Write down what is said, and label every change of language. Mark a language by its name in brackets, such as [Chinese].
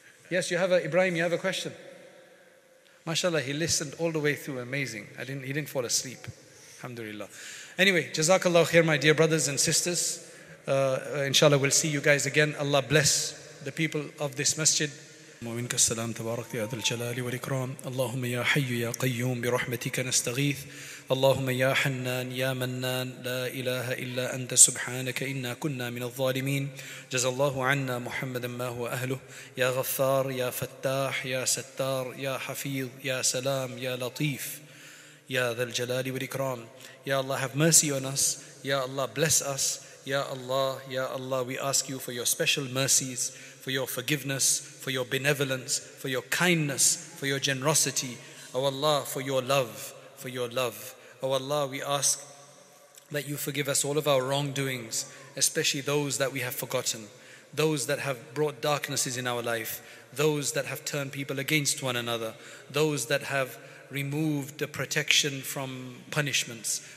[English] Yes, Ibrahim, you have a question. MashaAllah, he listened all the way through. Amazing. He didn't fall asleep. Alhamdulillah. Anyway, Jazakallah khair, my dear brothers and sisters. Inshallah, we'll see you guys again. Allah bless the people of this masjid. [Arabic] ومنك السلام تبارك يا ذا الجلال والإكرام اللهم يا حي يا قيوم برحمتك نستغيث اللهم يا حنان يا منان لا إله إلا أنت سبحانك إنا كنا من الظالمين جزا الله عنا محمدا ما هو أهله يا غفار يا فتاح يا ستار يا حفيظ يا سلام يا لطيف يا ذا الجلال والإكرام يا الله [English] have mercy on us [Arabic] يا الله [English] bless us [Arabic] يا الله [English] we ask you for your special mercies, for your forgiveness, for your benevolence, for your kindness, for your generosity. Oh Allah, for your love, for your love. Oh Allah, we ask that you forgive us all of our wrongdoings, especially those that we have forgotten, those that have brought darknesses in our life, those that have turned people against one another, those that have removed the protection from punishments.